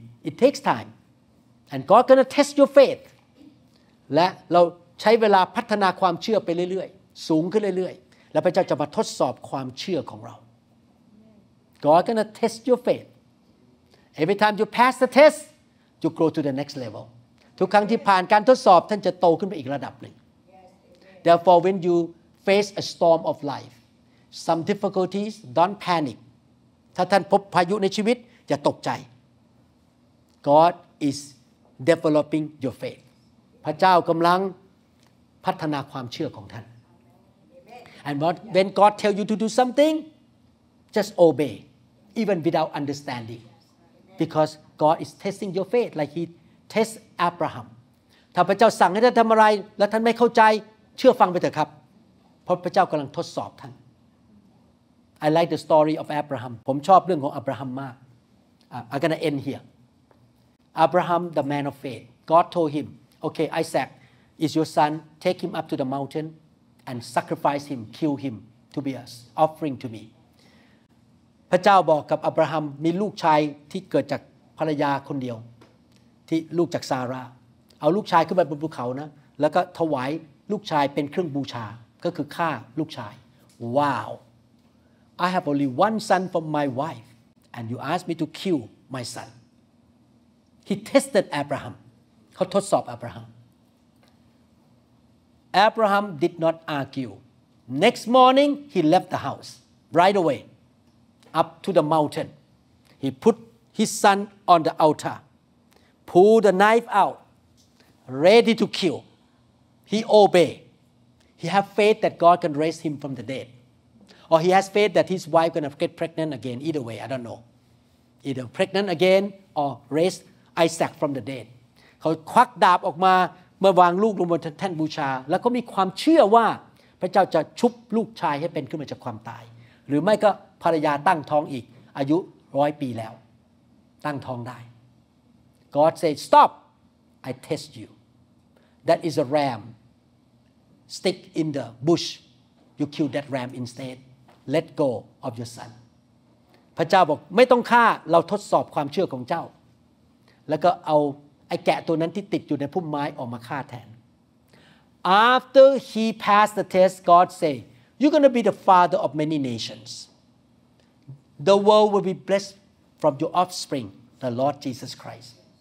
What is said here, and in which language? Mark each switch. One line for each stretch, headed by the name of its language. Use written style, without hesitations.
English: It takes time, and God gonna test your faith.
Thai: และเราใช้เวลาพัฒนาความเชื่อไปเรื่อยๆสูงขึ้นเรื่อยๆแล้วพระเจ้าจะมาทดสอบความเชื่อของเรา
English: God gonna test your faith. Every time you pass the test, you grow to the next level.
Thai: ทุกครั้งที่ผ่านการทดสอบท่านจะโตขึ้นไปอีกระดับหนึ่ง
English: Therefore, when you face a storm of life, some difficulties, don't panic.
Thai: ถ้าท่านพบพายุในชีวิตอย่าตกใจ
English: God is developing your faith.
Thai: พระเจ้ากำลังพัฒนาความเชื่อของท่าน
English: And when God tell you to do something, just obey, even without understanding. Because God is testing your faith like he test Abraham.
Thai: ถ้าพระเจ้าสั่งให้ท่านทำอะไรแล้วท่านไม่เข้าใจเชื่อฟังไปเถอะครับเพราะพระเจ้ากำลังทดสอบท่าน
English: I like the story of Abraham.
Thai: ผมชอบเรื่องของอับราฮัมมาก
English: I'm gonna end here. Abraham, the man of faith. God told him, okay, Isaac is your son. Take him up to the mountain. And sacrifice him, kill him to be an offering to me.
Thai: พระเจ้าบอกกับอับราฮัมมีลูกชายที่เกิดจากภรรยาคนเดียวที่ลูกจากซาร่าเอาลูกชายขึ้นไปบนภูเขานะแล้วก็ถวายลูกชายเป็นเครื่องบูชาก็คือฆ่าลูกชายว้าว
English: I have only one son from my wife, and you ask me to kill my son. He tested Abraham.
Thai: เขาทดสอบอับราฮัม
English: Abraham did not argue. Next morning, he left the house right away, up to the mountain. He put his son on the altar, pulled the knife out, ready to kill. He obeyed. He had faith that God can raise him from the dead. Or he has faith that his wife gonna get pregnant again. Either way, I don't know. Either pregnant again or raise Isaac from the dead. He quacked the knife out.
Thai: เมื่อวางลูกลงบนแท่นบูชาแล้วก็มีความเชื่อว่าพระเจ้าจะชุบลูกชายให้เป็นขึ้นมาจากความตายหรือไม่ก็ภรรยาตั้งท้องอีกอายุ100ปีแล้วตั้งท้องได้
English: God said stop I test you that is a ram stick in the bush you kill that ram instead let go of your son
Thai: พระเจ้าบอกไม่ต้องฆ่าเราทดสอบความเชื่อของเจ้าแล้วก็เอาไอ้แกะตัวนั้นที่ติดอยู่ในพุ่มไม้ออกมาฆ่าแทน
English: After he passed the test, God said, "You're gonna be the father of many nations. The world will be blessed from your offspring, the Lord Jesus Christ.